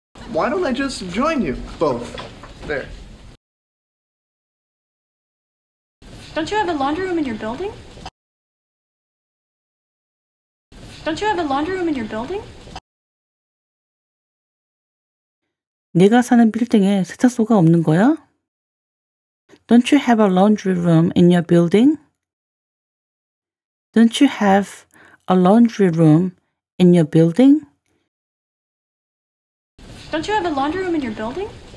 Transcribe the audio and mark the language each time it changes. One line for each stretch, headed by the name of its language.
English: Why don't I just join you both there? Don't you have a laundry room in your building? Don't you have a laundry room in your building?
Korean: 내가 사는 빌딩에 세탁소가 없는 거야?
English: Don't you have a laundry room in your building? Don't you have a laundry room in your building? Don't you have a laundry room in your building?